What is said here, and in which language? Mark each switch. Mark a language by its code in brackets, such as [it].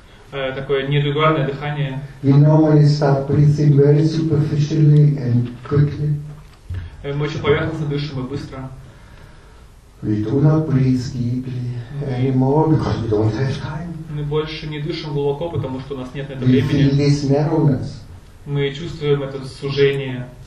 [ru] такое нерегулярное дыхание. [en] You normally start breathing very superficially and quickly. [ru] Мы очень поверхностно дышим и быстро. [en] We do not breathe deeply anymore because we don't have time. [ru] Мы больше не дышим глубоко, потому что у нас нет на это времени. [en] We feel this narrowness. [ru] Мы чувствуем это сужение.